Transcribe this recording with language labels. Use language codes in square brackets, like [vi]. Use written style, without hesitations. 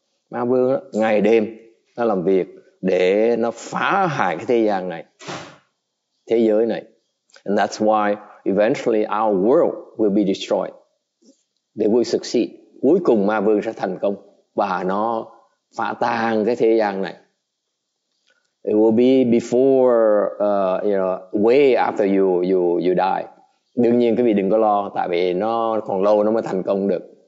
[vi] Ma Vương ngày đêm nó làm việc để nó phá hại cái thế gian này, thế giới này. [en] And that's why eventually our world will be destroyed. They will succeed. [vi] Cuối cùng Ma Vương sẽ thành công và nó phá tan cái thế gian này. [en] It will be before, you know, way after you die. [vi] Đương nhiên quý vị đừng có lo, tại vì nó còn lâu nó mới thành công được.